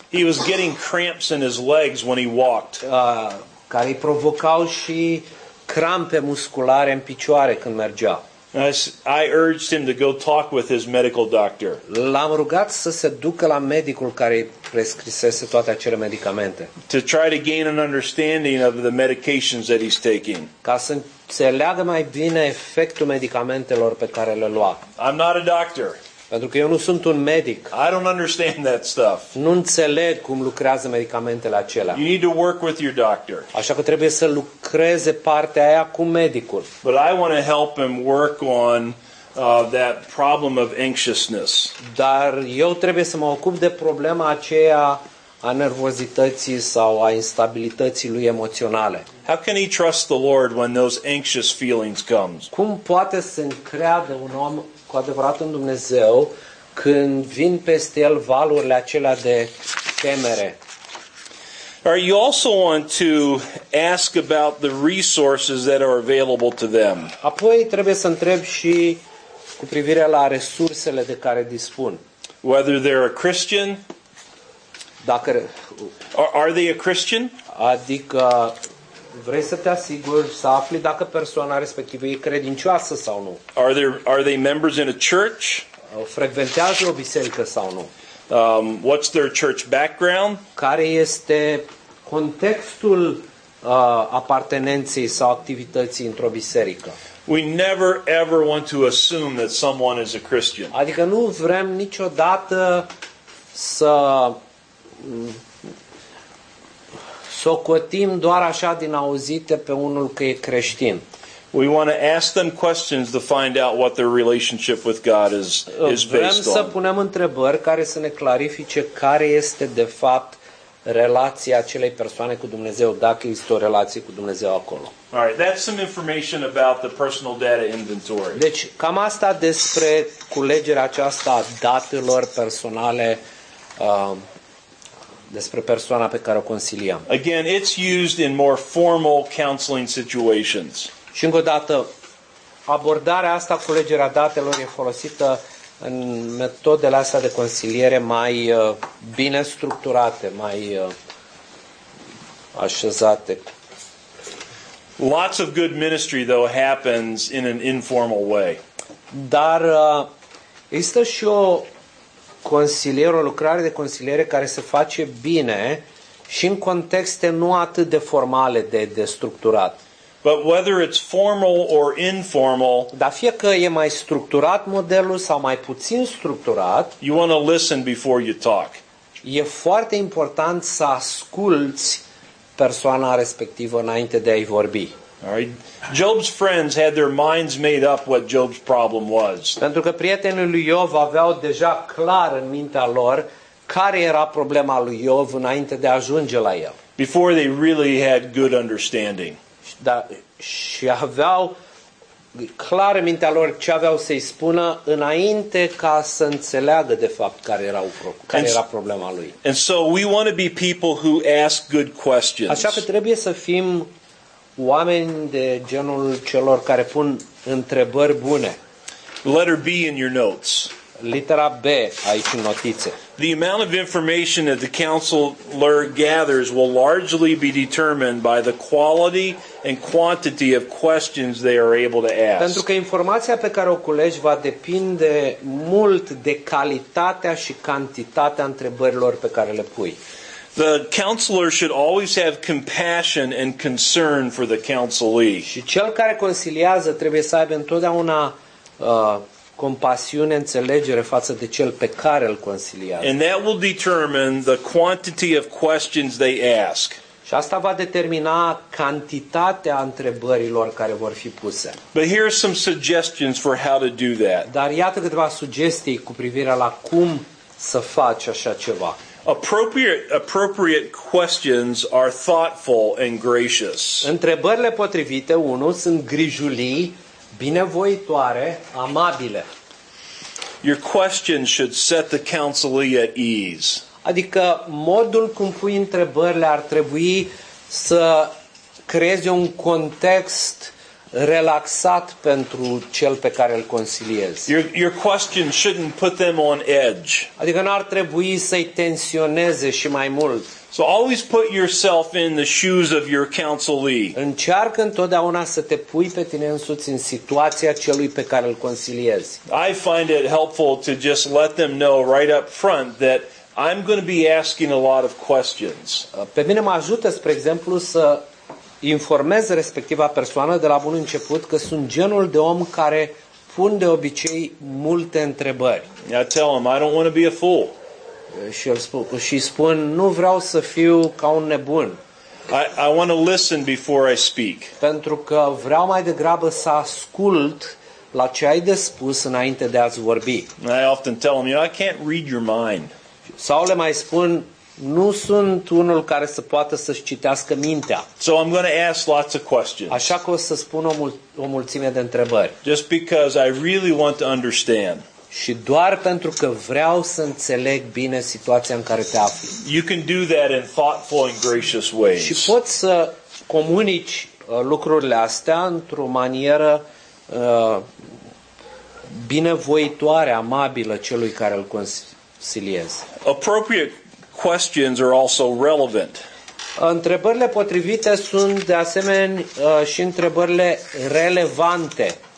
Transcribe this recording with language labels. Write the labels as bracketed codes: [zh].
[en] He was getting cramps in his legs when he walked. [ro] Care îi provocau și crampe musculare în picioare când mergea. [en] I urged him to go talk with his medical doctor. [ro] L-am rugat să se ducă la medicul care îi prescrisese toate acele medicamente. [en] To try to gain an understanding of the medications that he's taking. [ro] Ca să înțeleagă mai bine efectul medicamentelor pe care le lua. [en] I'm not a doctor. [ro] Pentru că eu nu sunt un medic. [en] I don't understand that stuff. [ro] Nu înțeleg cum lucrează medicamentele acelea. [en] You need to work with your doctor. [ro] Așa că trebuie să lucreze partea aia cu medicul. [en] But I want to help him work on that problem of anxiousness. [ro] Dar eu trebuie să mă ocup de problema aceea a nervozității sau a instabilității lui emoționale. [en] How can he trust the Lord when those anxious feelings come? [ro] Cum poate să creadă un om cu adevărat în Dumnezeu când vin peste el valurile acelea de temere? [en] Or you also want to ask about the resources that are available to them. [ro] Apoi trebuie să întreb și cu privire la resursele de care dispun. [en] Whether they're a Christian? [ro] Dacă [en] are they a Christian? [ro] Adică vrei să te asiguri să afli dacă persoana respectivă e credincioasă sau nu. [en] Are they members in a church? [ro] Frecventează o biserică sau nu? [en] What's their church background? [ro] Care este contextul apartenenței sau activității într-o biserică? [en] We never ever want to assume that someone is a Christian. [ro] Adică nu vrem niciodată să socotim doar așa din auzite pe unul că e creștin. [en] We want to ask them questions to find out what their relationship with God is based on. [ro] Vrem să punem întrebări care să ne clarifice care este de fapt relația acelei persoane cu Dumnezeu, dacă este o relație cu Dumnezeu acolo. [en] All right, that's some information about the personal data inventory. [ro] Deci, cam asta despre culegerea aceasta a datelor personale despre persoana pe care o consiliam. [en] Again, it's used in more formal counseling situations. [ro] Și încă o dată, abordarea asta, culegerea datelor, e folosită în metodele astea de consiliere mai bine structurate, mai așezate. [en] Lots of good ministry though happens in an informal way. [ro] Dar există și o consiliere, o lucrare de consiliere care se face bine și în contexte nu atât de formale, de structurat. [en] But whether it's formal or informal, [ro] dar fie că e mai structurat modelul sau mai puțin structurat, [en] you want to listen before you talk. [ro] E foarte important să asculți persoana respectivă înainte de a-i vorbi. [en] All right. Job's friends had their minds made up what Job's problem was. [ro] Pentru că prietenii lui Iov aveau deja clar în mintea lor care era problema lui Iov înainte de a ajunge la el. [en] Before they really had good understanding. [ro] Da, și aveau clar în mintea lor ce aveau să-i spună înainte ca să înțeleagă de fapt care era problema lui. [en] And so we want to be people who ask good questions. [ro] Așa că trebuie să fim oameni de genul celor care pun întrebări bune. [en] Letter B in your notes. [ro] Litera B aici în notițe. [en] The amount of information that the counselor gathers will largely be determined by the quality and quantity of questions they are able to ask. [ro] Pentru că informația pe care o culegi va depinde mult de calitatea și cantitatea întrebărilor pe care le pui. [en] The counselor should always have compassion and concern for the counselee. [ro] Și cel care consiliază trebuie să aibă întotdeauna compasiune, înțelegere față de cel pe care îl consiliază. [en] And that will determine the quantity of questions they ask. [ro] Și asta va determina cantitatea întrebărilor care vor fi puse. [en] But here are some suggestions for how to do that. [ro] Dar iată câteva sugestii cu privire la cum să faci așa ceva. [en] Appropriate questions are thoughtful and gracious. [ro] Întrebările potrivite, unu, sunt grijulii, binevoitoare, amabile. [en] Your question should set the counselee at ease. [ro] Adică modul cum pui întrebările ar trebui să creeze un context relaxat pentru cel pe care îl consiliezi. [en] Your question shouldn't put them on edge. [ro] Adică nu ar trebui să-i tensioneze și mai mult. [en] So always put yourself in the shoes of your counselee. [ro] Încearcă întotdeauna să te pui pe tine însuți în situația celui pe care îl consiliezi. [en] I find it helpful to just let them know right up front that I'm going to be asking a lot of questions. [ro] Pe mine mă ajută, spre exemplu, să informez respectiva persoană de la bun început că sunt genul de om care pun de obicei multe întrebări. [en] I tell them I don't want to be a fool. [ro] Și spun, nu vreau să fiu ca un nebun. [en] I want to listen before I speak. [ro] Pentru că vreau mai degrabă să ascult la ce ai de spus înainte de a-ți vorbi. [en] I often tell them, I can't read your mind. [ro] Sau le mai spun, Nu sunt unul care să poată să-și citească mintea. [en] So I'm going to ask lots of questions. [ro] Așa că o să spun o mulțime de întrebări. [en] Just because I really want to understand. [ro] Și doar pentru că vreau să înțeleg bine situația în care te afli. [en] You can do that in thoughtful and gracious ways. [ro] Și poți să comunici lucrurile astea într-o manieră binevoitoare, amabilă celui care îl consiliez. [en] Appropriate questions are also relevant. [ro] Întrebările potrivite sunt de asemenea și întrebările relevante.